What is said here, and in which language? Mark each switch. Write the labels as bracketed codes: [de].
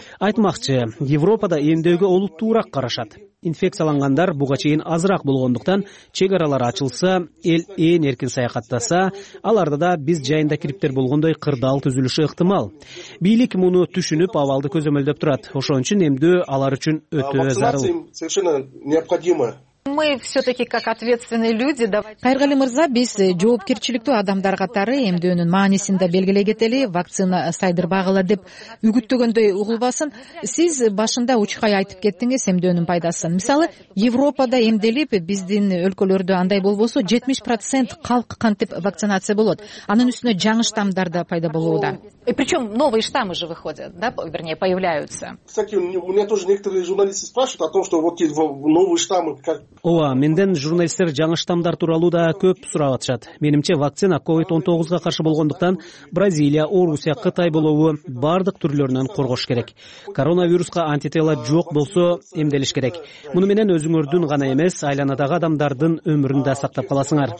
[ky] Айтмакчы, Европада эмдөөгө олуттуураак карашат. Инфекциялангандар буга чейин азыраак болгондуктан, чек аралар ачылса, эл ээн эркин саякаттаса, аларда да биз жайында кириптер болгондой кырдаал түзүлүшү ыктымал. Бийлик муну түшүнүп, абалды көзөмөлдөп турат. Ошон үчүн эмдөө алар үчүн өтө зарыл. [ru] Мы все-таки как ответственные люди. [ky] Кайргали Мырза, биз жоопкерчиликтүү адамдар катары эмдөөнүн маанисин да белгилей кетели, вакцина сайдырбагыла деп үгүттөгөндөй угулбасын. Сиз башында учкай айтып кеттиңиз эмдөөнүн пайдасын. Мисалы, Европада эмделип, биздин өлкөлөрдө андай болбосо 70% калк кантип вакцинация болот. Анын үстүнө жаңы штамдар да пайда болууда. [ru] И причем новые штаммы же выходят, да, вернее, появляются. Кстати, у меня тоже некоторые журналисты спрашивают о том, что вот новые штаммы... [ky] Ооба, менден журналисттер жаңы штамдар тууралуу да көп сурап атышат. Менимче, вакцина COVID-19га каршы болгондуктан Бразилия, Орусия, Кытай болобу бардык түрлөрүнөн коргош керек. Коронавируска антитела жок болсо эмделиш керек. Муну менен өзүңөрдүн гана эмес, айланадагы адамдардын өмүрүн да сактап каласыңар.